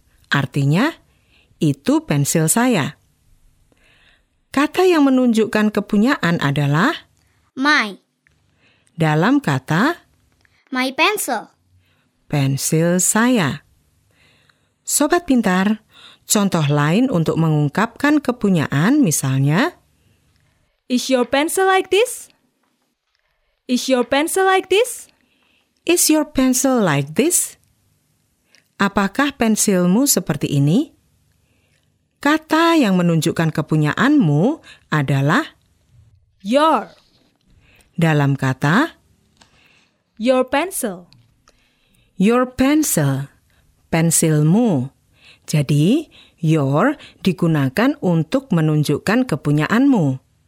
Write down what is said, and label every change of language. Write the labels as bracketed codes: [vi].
[id] Artinya, itu pensil saya. Kata yang menunjukkan kepunyaan adalah [en] my. [id] Dalam kata [en] my pencil. [id] Pensil saya. Sobat pintar, contoh lain untuk mengungkapkan kepunyaan misalnya, [en] is your pencil like this? Is your pencil like this? Is your pencil like this? [id] Apakah pensilmu seperti ini? Kata yang menunjukkan kepunyaanmu adalah [en] your. [id] Dalam kata [en] your pencil. Your pencil. [id] Pensilmu. Jadi, your digunakan untuk menunjukkan kepunyaanmu.